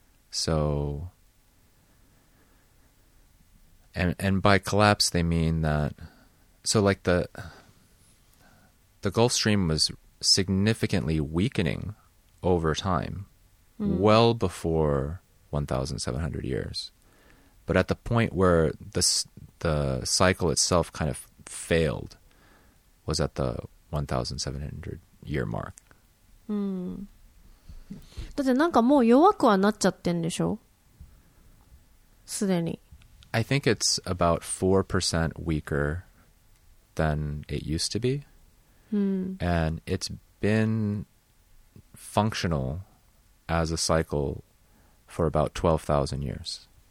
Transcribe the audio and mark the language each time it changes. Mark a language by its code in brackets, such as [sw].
[en] So, and by collapse they mean that, so like the Gulf Stream was significantly weakening over time, well before 1,700 years. But at the point where the cycle itself kind of failed was at the 1,700-year mark. [ja] だってなんかもう弱くはなっちゃってんでしょ? すでに。 [en] I think it's about 4% weaker than it used to be. And it's been functional as a cycle for about 12,000 years.